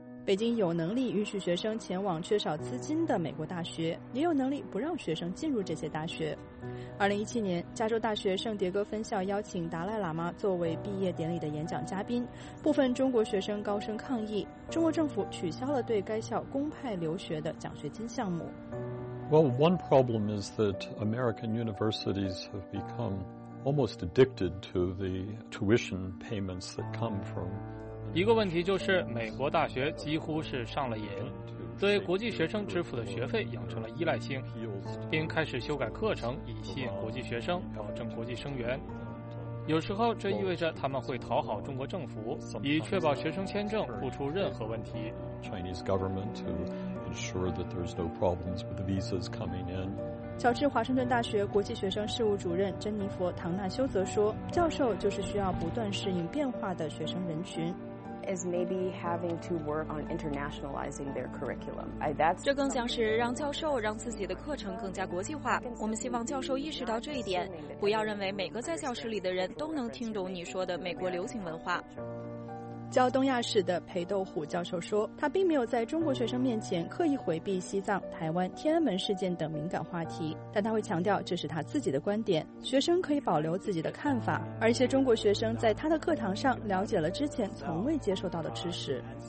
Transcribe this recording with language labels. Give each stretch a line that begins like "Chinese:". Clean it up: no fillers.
Chinese: 北京有能力允许学生前往缺少资金的美国大学，也有能力不让学生进入这些大学。 2017年，加州大学圣迭戈分校邀请达赖喇嘛作为毕业典礼的演讲嘉宾，部分中国学生高声抗议，中国政府取消了对该校公派留学的奖学金项目。
English: One problem is that American universities have become almost addicted to the tuition payments that come from。
Chinese: 一个问题就是美国大学几乎是上了瘾，对国际学生支付的学费养成了依赖性，并开始修改课程以吸引国际学生，保证国际生源。有时候这意味着他们会讨好中国政府，以确保学生签证不出任何问题。乔治华盛顿大学国际学生事务主任珍妮佛·唐纳修则说，教授就是需要不断适应变化的学生人群。
English: is maybe having to work on internationalizing their curriculum.
Chinese: 这更像是让教授让自己的课程更加国际化。我们希望教授意识到这一点，不要认为每个在教室里的人都能听懂你说的美国流行文化。教东亚史的裴豆虎教授说，他并没有在中国学生面前刻意回避西藏、台湾、天安门事件等敏感话题，但他会强调这是他自己的观点，学生可以保留自己的看法，而一些中国学生在他的课堂上了解了之前从未接受到的知识。